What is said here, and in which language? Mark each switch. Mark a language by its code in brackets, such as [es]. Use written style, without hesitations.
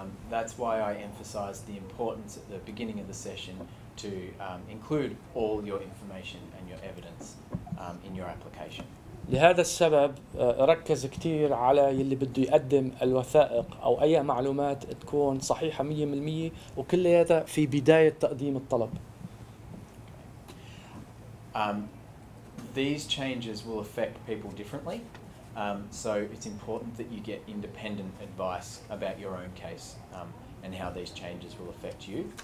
[en] That's why I emphasized the importance at the beginning of the session to include all your information and your evidence in your application. [ar] لهذا السبب ركز كثير على يلي بده يقدم الوثائق او اي معلومات تكون صحيحه 100% وكلياتها في بدايه تقديم الطلب. [en] These changes will affect people differently. So it's important that you get independent advice about your own case and how these changes will affect you.